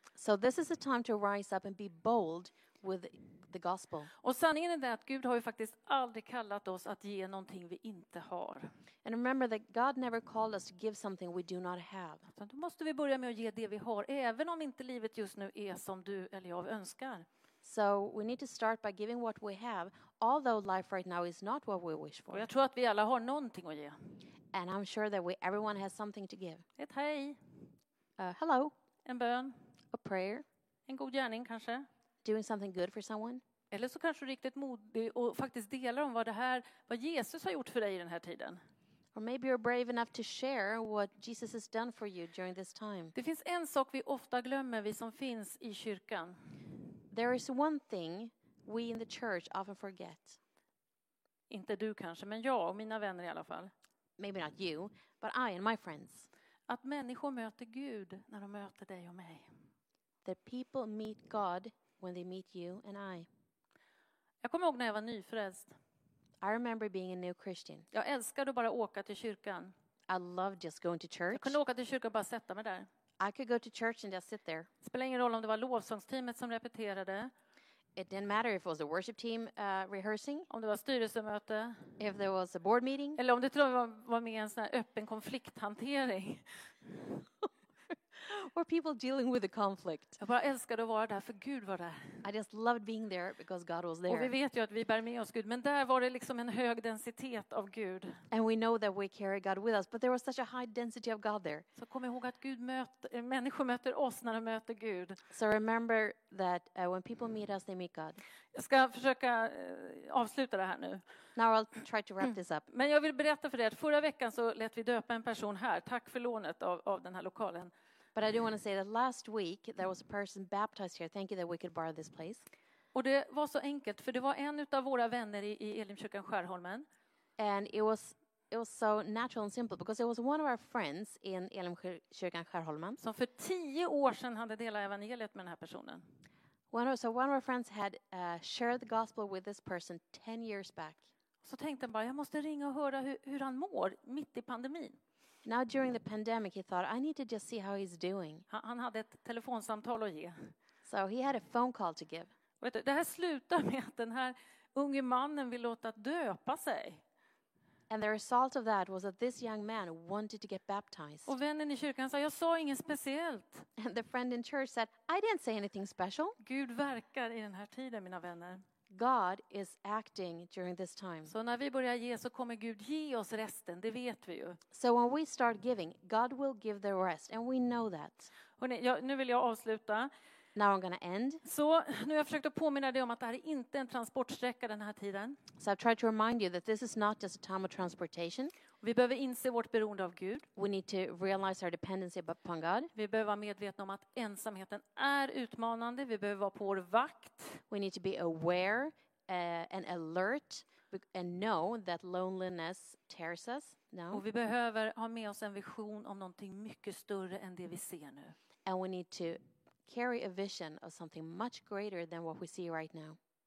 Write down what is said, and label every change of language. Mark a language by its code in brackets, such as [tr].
[en] So this is a time to rise up and be bold with the gospel. [sv] Och sanningen är att Gud har ju faktiskt aldrig kallat oss att ge någonting vi inte har. [en] And remember that God never called us to give something we do not have. [sv] Så då måste vi börja med att ge det vi har, även om inte livet just nu är som du eller jag önskar. [en] So we need to start by giving what we have, although life right now is not what we wish for. [sv] Och jag tror att vi alla har någonting att ge. [en] And I'm sure that everyone has something to give. [sv] Ett hej. [en] Hello. [sv] En bön. [en] A prayer. [sv] En god gärning kanske. [en] Doing something good for someone. [sv] Eller så kanske riktigt modig och faktiskt delar om vad Jesus har gjort för dig i den här tiden. [en] Or maybe you're brave enough to share what Jesus has done for you during this time. [sv] Det finns en sak vi ofta glömmer, vi som finns i kyrkan. [en] There is one thing we in the church often forget. [sv] Inte du kanske, men jag och mina vänner i alla fall. [en] Maybe not you, but I and my friends. [sv] Att människor möter Gud när de möter dig och mig. [en] That people meet God when they meet you and I. [sv] Jag kommer ihåg när jag var nyfrälst. [en] I remember being a new Christian. [sv] Jag älskade att bara åka till kyrkan. [en] I loved just going to church. [sv] Jag kunde åka till kyrkan och bara sätta mig där. [en] I could go to church and just sit there. [sv] Det spelade ingen roll om det var lovsångsteamet som repeterade. [en] It didn't matter if it was a worship team rehearsing. [sv] Om det var styrelsemöte. [en] If there was a board meeting. [sv] Eller om det var med en sån här öppen konflikthantering. [en] Or people dealing with a conflict. [sv] Jag bara älskade att vara där för Gud var där. [en] I just loved being there because God was there. [sv] Och vi vet ju att vi bär med oss Gud, men där var det liksom en hög densitet av Gud. [en] And we know that we carry God with us, but there was such a high density of God there. [sv] Så kom ihåg att Gud möter människor möter oss när de möter Gud. [en] So remember that when people meet us they meet God. [sv] Jag ska försöka avsluta det här nu. [en] Now I'll try to wrap this up. [sv] Men jag vill berätta för er att förra veckan så lät vi döpa en person här. Tack för lånet av den här lokalen. [en] But I do want to say that last week there was a person baptized here. Thank you that we could borrow this place. [sv] Och det var så enkelt för det var en utav våra vänner i Elimkyrkan Skärholmen. [en] And it was so natural and simple because it was one of our friends in Elimkyrkan Skärholmen [sv] som för 10 år sedan hade delat evangeliet med den här personen. [en] One of our friends had shared the gospel with this person 10 years back. [sv] Så tänkte han bara jag måste ringa och höra hur han mår mitt i pandemin. [en] Now during the pandemic he thought I need to just see how he's doing. [sv] Han hade ett telefonsamtal att ge. [en] So he had a phone call to give. [sv] Vet du, det här slutar med att den här unge mannen vill låta döpa sig. [en] And the result of that was that this young man wanted to get baptized. [sv] Och vännen i kyrkan sa jag sa inget speciellt. [en] And the friend in church said I didn't say anything special. [sv] Gud verkar i den här tiden mina vänner. [en] God is acting during this time. [sv] Så när vi börjar ge så kommer Gud ge oss resten, det vet vi ju. [en] So when we start giving, God will give the rest and we know that. [sv] Hörrni, jag, nu vill jag avsluta. [en] Now I'm going to end. [sv] Så nu har jag försökt att påminna dig om att det här är inte en transportsträcka den här tiden. [en] So I've tried to remind you that this is not just a time of transportation. [sv] Vi behöver inse vårt beroende av Gud. [en] We need to realize our dependency upon God. [sv] Vi behöver vara medvetna om att ensamheten är utmanande. Vi behöver vara på vår vakt. [en] We need to be aware and alert and know that loneliness tears us. No. [sv] Och vi behöver ha med oss en vision om någonting mycket större än det vi ser nu. [en] And we need to carry a vision of something much greater than what we see right now.